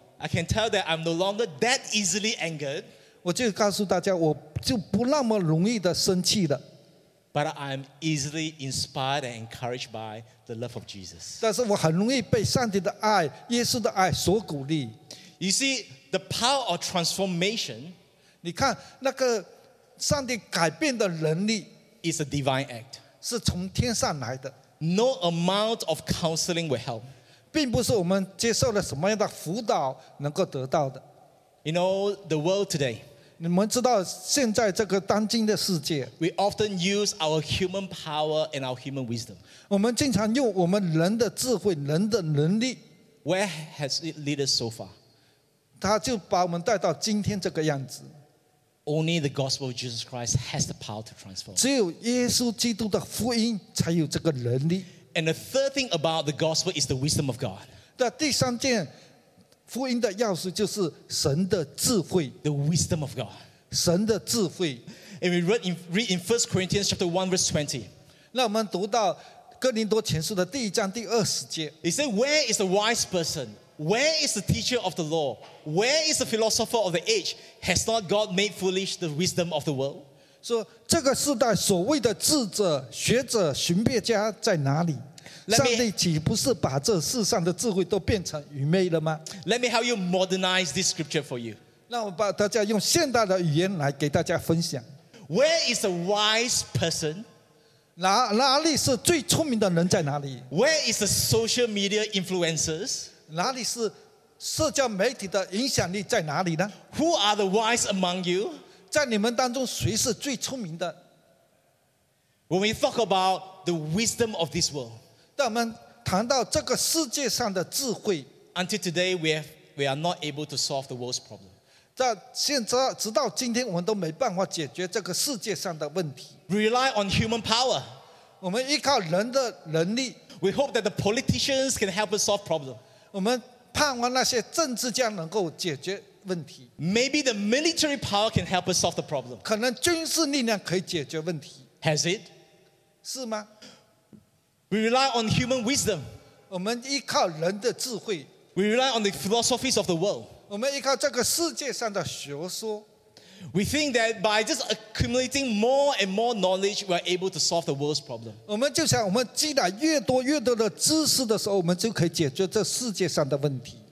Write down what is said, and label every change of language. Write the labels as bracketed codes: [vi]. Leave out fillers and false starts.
[en] I can tell that I'm no longer that easily angered. [zh] 我就告诉大家，我就不那么容易的生气了。 [en] But I'm easily inspired and encouraged by the love of Jesus. [zh] 但是我很容易被上帝的爱、耶稣的爱所鼓励。 [en] You see the power of transformation. [zh] 你看那个上帝改变的能力 [en] is a divine act. [zh] 是从天上来的。 [en] No amount of counseling will help. [zh] 并不是我们接受了什么样的辅导能够得到的。 [en] You know the world today. [zh] 你们知道现在这个当今的世界。 [en] We often use our human power and our human wisdom. [zh] 我们经常用我们人的智慧、人的能力。 [en] Where has it led us so far? [zh] 他就把我们带到今天这个样子。 [en] Only the gospel of Jesus Christ has the power to transform. [zh] 只有耶稣基督的福音才有这个能力。 [en] And the third thing about the gospel is the wisdom of God. [zh] 那第三件福音的钥匙就是神的智慧。 [en] The wisdom of God. [zh] 神的智慧。 [en] And we read in 1 Corinthians chapter 1 verse 20. [zh] 那我们读到哥林多前书的第一章第二十节。 [en] It says, Where is the wise person? Where is the teacher of the law? Where is the philosopher of the age? Has not God made foolish the wisdom of the world? [zh] 说这个世代所谓的智者、学者、寻辩家在哪里？上帝岂不是把这世上的智慧都变成愚昧了吗？ [en] Let me help you modernize this scripture for you. [zh] 让我把大家用现代的语言来给大家分享。 [en] Where is the wise person? [zh] 哪里是最聪明的人在哪里？ [en] Where is the social media influencers? [zh] 哪里是社交媒体的影响力在哪里呢？ [en] Who are the wise among you? [zh] 在你们当中谁是最聪明的？ [en] When we talk about the wisdom of this world, [zh] 当我们谈到这个世界上的智慧， [en] Until today we are not able to solve the world's problem. [zh] 在现在直到今天我们都没办法解决这个世界上的问题。 [en] Rely on human power. [zh] 我们依靠人的能力。 [en] We hope that the politicians can help us solve problems. [zh] 我们盼望那些政治家能够解决问题。 [en] Maybe the military power can help us solve the problem. [zh] 可能军事力量可以解决问题。 [en] Has it? [zh] 是吗？ [en] We rely on human wisdom. [zh] 我们依靠人的智慧。 [en] We rely on the philosophies of the world. [zh] 我们依靠这个世界上的学说。 [en] We think that by just accumulating more and more knowledge, we are able to solve the world's problem. [zh] 我们就想，我们积累越多越多的知识的时候，我们就可以解决这世界上的问题。